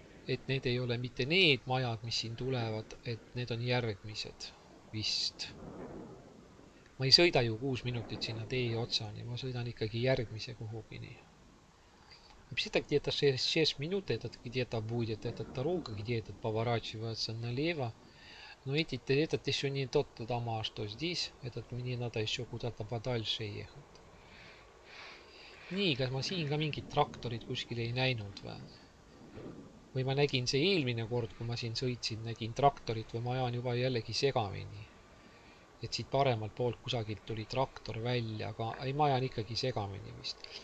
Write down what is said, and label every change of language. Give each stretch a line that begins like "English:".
Estonian: Et need ei ole mitte need majad, mis siin tulevad, et need on järgmised vist. Ma ei sõida ju 6 minutit sinna tee otsani, ma sõidan ikkagi järgmise kuhugi nii.
Russian: Вообще-то где-то 6 минут этот где-то будет, этот дорога где-то поворачивается налево. Но этот еще не тот дома, что здесь. Этот мне надо еще куда-то подальше ехать.
Estonian: Nii, kas ma siin ka mingid traktorid kuskil ei näinud või? Või ma nägin see eelmine kord, kui ma siin sõitsin, nägin traktorit või ma ajan juba jällegi segamini. Et siit paremalt poolt kusagilt tuli traktor välja, aga ei ma ajan ikkagi segamini vist.